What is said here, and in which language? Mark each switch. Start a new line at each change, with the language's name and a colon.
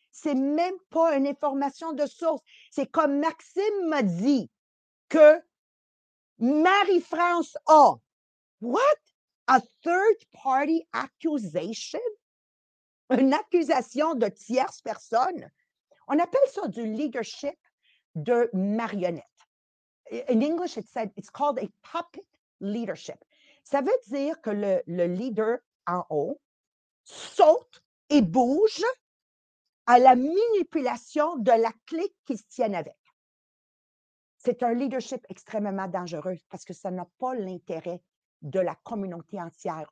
French: C'est même pas une information de source. C'est comme Maxime m'a dit que Marie-France a.
English: What? A third party accusation?
French: Une accusation de tierce personne? On appelle ça du leadership de marionnette.
English: In English, it said, it's called a puppet leadership.
French: Ça veut dire que le leader en haut saute et bouge à la manipulation de la clique qu'il se tient avec. C'est un leadership extrêmement dangereux parce que ça n'a pas l'intérêt de la communauté entière.